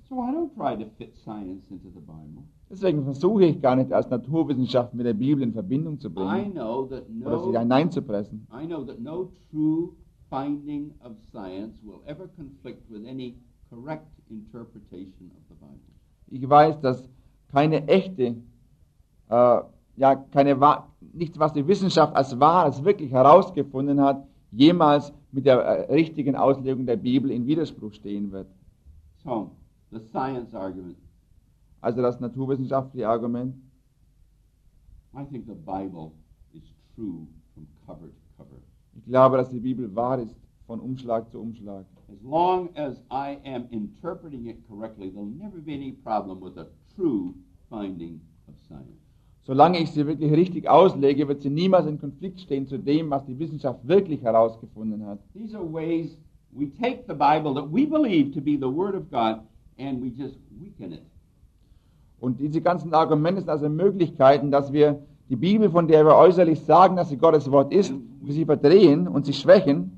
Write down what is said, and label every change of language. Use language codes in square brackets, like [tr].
[en] So I don't try to fit science into the Bible. [de] Deswegen versuche ich gar nicht, als Naturwissenschaft mit der Bibel in Verbindung zu bringen. [en] I know that no, [de] oder sie hineinzupressen. [en] I know that no true finding of science will ever conflict with any correct interpretation of the Bible. [de] Ich weiß, dass keine echte, nichts, was die Wissenschaft als wahr, als wirklich herausgefunden hat, jemals mit der richtigen Auslegung der Bibel in Widerspruch stehen wird. [en] So, the science argument. [de] Also das naturwissenschaftliche Argument. [en] I think the Bible is true from cover to cover. [de] Ich glaube, dass die Bibel wahr ist, von Umschlag zu Umschlag. [en] As long as I am interpreting it correctly, there'll never be any problem with a true finding of science. [de] Solange ich sie wirklich richtig auslege, wird sie niemals in Konflikt stehen zu dem, was die Wissenschaft wirklich herausgefunden hat. [en] These are ways we take the Bible that we believe to be the Word of God and we just weaken it. [de] Und diese ganzen Argumente sind also Möglichkeiten, dass wir die Bibel, von der wir äußerlich sagen, dass sie Gottes Wort ist, wir sie verdrehen und sie schwächen